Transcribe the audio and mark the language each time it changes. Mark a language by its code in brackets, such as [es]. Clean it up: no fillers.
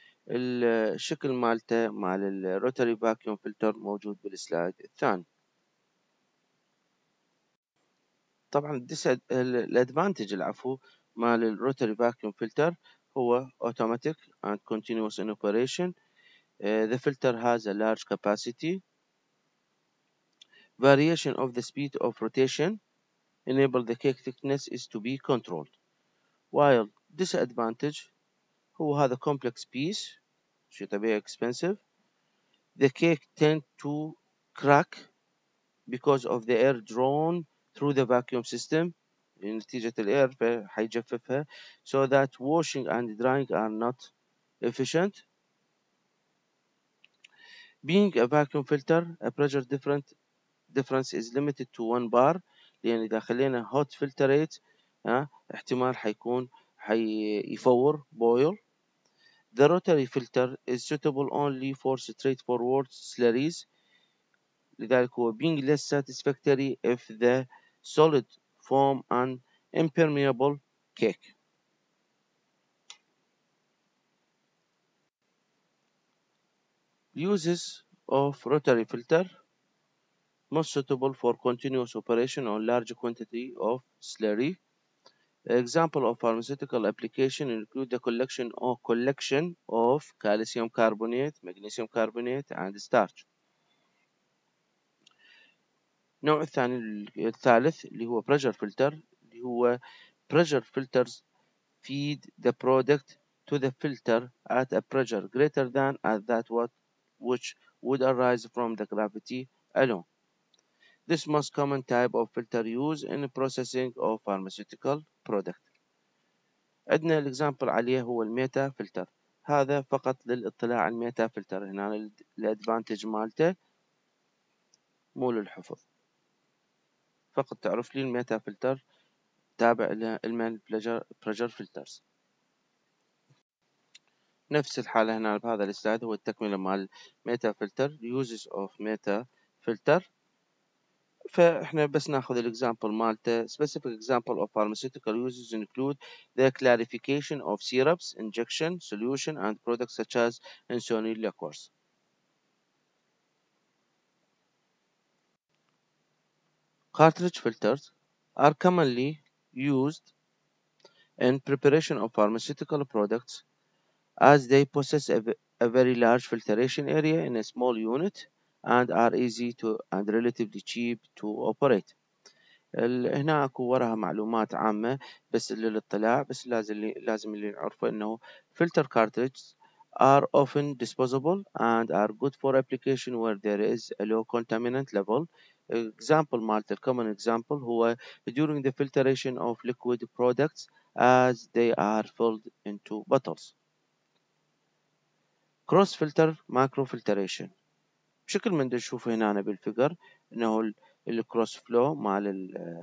[ar] الشكل مالته مال الروتري فاكيوم فلتر موجود بالسلايد الثاني. طبعا الادفانتج العفو مال الروتري فاكيوم فلتر هو [en] automatic and continuous in operation. The filter has a large capacity. Variation of the speed of rotation enable the cake thickness is to be controlled. While disadvantage [ar] هو هذا [en] complex piece [ar] شيء طبيعي [en] expensive. The cake tend to crack because of the air drawn through the vacuum system. [ar] نتيجة الاير حيجففها [en] so that washing and drying are not efficient. Being a vacuum filter, a pressure difference is limited to 1 bar. [ar] لأن إذا خلينا hot filtrate احتمال حيكون حيفور boil. [en] The rotary filter is suitable only for straightforward slurries. [ar] لذلك هو [en] being less satisfactory if the solid form and impermeable cake. Uses of rotary filter most suitable for continuous operation on large quantity of slurry. Example of pharmaceutical application include the collection of calcium carbonate, magnesium carbonate and starch. [ar] النوع الثاني الثالث اللي هو [en] pressure filter، [ar] اللي هو [en] pressure filters feed the product to the filter at a pressure greater than at that which would arise from the gravity alone. This most common type of filter used in the processing of pharmaceutical product. [ar] عندنا الاكزامبل عليه هو الميتا فلتر. هذا فقط للاطلاع على الميتا فلتر. هنا الادفانتج مالته مو للحفظ. فقط تعرف لي الميتا فلتر تابع للمان بريشر فلترز. نفس الحالة هنا بهذا الاستعداد هو التكملة مال ميتا فلتر. [en] Uses of meta filter. [ar] فإحنا بس ناخذ الاكزامبل مالته. [en] Specific example of pharmaceutical uses include the clarification of syrups, injection, solution and products such as insulin liquors. Cartridge filters are commonly used in preparation of pharmaceutical products as they possess a very large filtration area in a small unit and are easy to and relatively cheap to operate. [ar] هنا اكو وراها معلومات عامة بس للاطلاع، بس لازم اللي نعرفه انه [en] filter cartridges are often disposable and are good for application where there is a low contaminant level. Example مالت common example هو during the filtration of liquid products as they are filled into bottles. Cross filter micro filtration. [ar] بشكل من ده نشوفه هنا أنا بالفيجر إنه ال cross flow مال ال